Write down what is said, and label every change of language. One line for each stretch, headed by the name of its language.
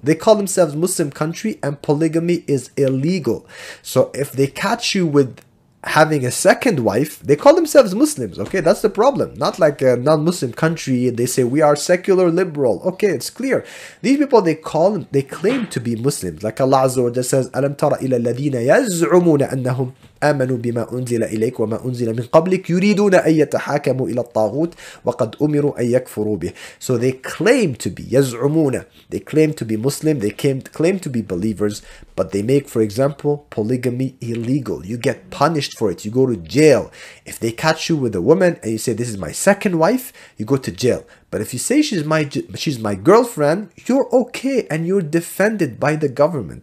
English: They call themselves Muslim country and polygamy is illegal. So if they catch you with having a second wife, they call themselves Muslims, okay? That's the problem. Not like a non-Muslim country, they say we are secular liberal. Okay, it's clear. These people, they claim to be Muslims. Like Allah Azza wa Jalla says,
Arabic: أَلَمْ تَرَ إِلَى الَّذِينَ يَزْعُمُونَ أَنَّهُمْ آمنوا بما أنزل إليك وما أنزل من قبلك يريدون أن يتحاكموا إلى الطاغوت وقد أمروا أن يكفروا به.
English: So they claim to be يزعمون. They claim to be Muslim. They claim to be believers. But they make, for example, polygamy illegal. You get punished for it. You go to jail. If they catch you with a woman and you say, this is my second wife, you go to jail. But if you say she's my girlfriend, you're okay and you're defended by the government.